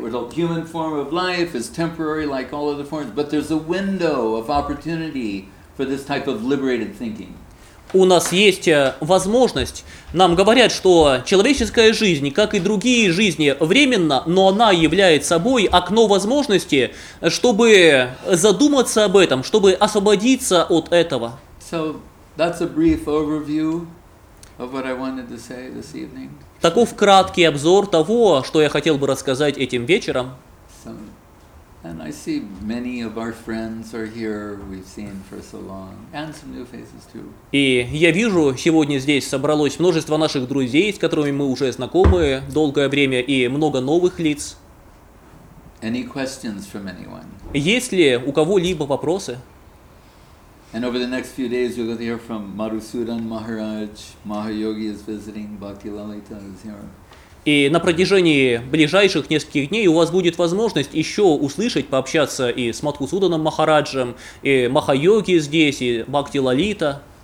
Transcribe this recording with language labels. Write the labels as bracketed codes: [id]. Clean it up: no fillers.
[en] Where the human form of life is temporary, like all other forms, but there's a window of opportunity for this type of liberated thinking. [ru] У нас есть возможность, нам говорят, что человеческая жизнь, как и другие жизни, временна, но она является собой окно возможности, чтобы задуматься об этом, чтобы освободиться от этого. [en] So that's a brief overview of what I wanted to say this evening. [ru] Таков краткий обзор того, что я хотел бы рассказать этим вечером. [en] So, and I see many of our friends are here, we've seen for so long, and some new faces too. [ru] И я вижу, сегодня здесь собралось множество наших друзей, с которыми мы уже знакомы долгое время, и много новых лиц. [en] Any questions from anyone? [ru] Есть ли у кого-либо вопросы? [en] And over the next few days you're going to hear from Madhusudan Maharaj, Mahayogi is visiting, Bhakti Lalita is here. [ru] И на протяжении ближайших нескольких дней у вас будет возможность еще услышать, пообщаться и с Мадхусуданом Махараджем, и Махайоги здесь, и Бхакти Лалита.